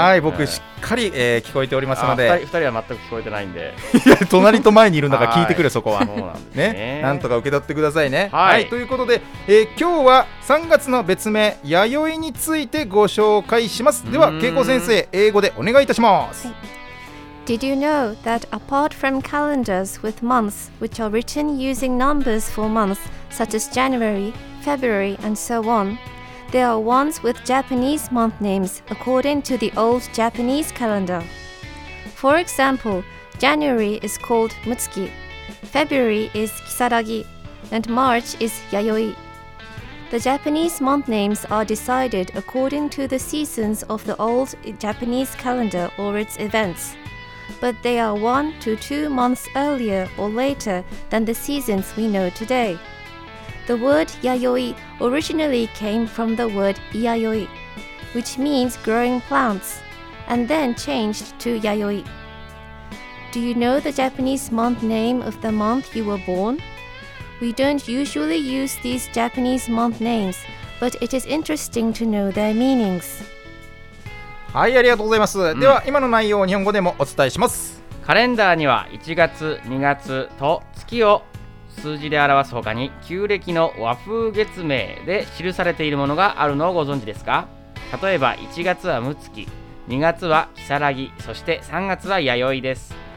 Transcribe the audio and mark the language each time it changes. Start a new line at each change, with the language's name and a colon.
Japanese: はい、僕しっかり、聞こえておりますので。 2人は全く聞こえてないんで。いや、隣と前にいるんだから聞いてくれ。そこはそうなんです ね、なんとか受け取ってくださいね。はい、はい、ということで、今日は3月の別名弥生についてご紹介します。では恵子先生、英語でお願いいたします。
English: Did you know that apart from calendars with months which are written using numbers for months such as January, February and so onThere are ones with Japanese month names according to the old Japanese calendar. For example, January is called Mutsuki, February is Kisaragi, and March is Yayoi. The Japanese month names are decided according to the seasons of the old Japanese calendar or its events, but they are 1 to 2 months earlier or later than the seasons we know today. The word yayoi originally came from the word iayoi, which means growing plants, and then changed to yayoi. Do you know the Japanese month name of the month you were born? We don't usually use these Japanese month names, but it is interesting to know their meanings.
Japanese: はい、ありがとうございます。うん、では今の内容を日本語でもお伝えします。カレンダーには1月、2月と月を数字で表す他に、旧暦の和風月名で記されているものがあるのをご存知ですか？例えば1月はムツキ、2月はキサラギ、そして3月は弥生です。